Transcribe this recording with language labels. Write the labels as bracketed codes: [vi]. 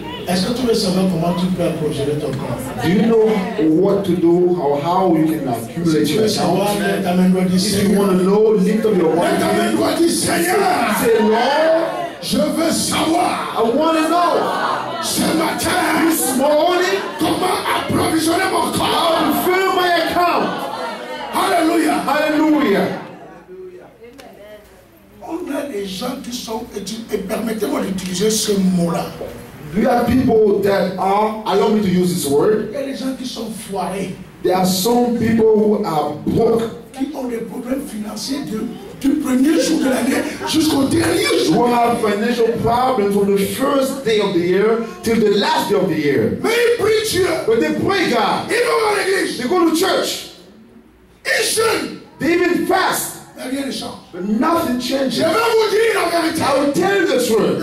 [fr] Est-ce que tu veux savoir comment tu peux approvisionner ton compte? [en] Do you know what to do or how you can accumulate your account? [fr] Si tu veux savoir, [en] if you want to know, lift up your hand. [fr] Ta main droite dit Seigneur. [en] Say Lord, [fr] je veux savoir. [en] I want to know. [fr] Ce matin, [en] this morning, [fr] comment approvisionner mon compte? [en] How to fill my account? Hallelujah. Hallelujah. [fr] On a des gens qui sont et permettez-moi d'utiliser ce mot-là. [en] We have people that are, allow me to use this word. [fr] Il y a des gens qui sont foirés. [en] There are some people who are broke. [fr] Qui ont des problèmes financiers du premier jour de l'année jusqu'au dernier jour. [en] Who have financial problems from the first day of the year till the last day of the year. [fr] Mais ils prient. [en] But they pray God. [fr] Ils vont à l'église. [en] They go to church. [fr] Ils jeûnent. [en] They even fast. [fr] Mais rien ne change. [en] But nothing changes. [fr] Je vais vous dire la vérité. [en] I will tell you this word.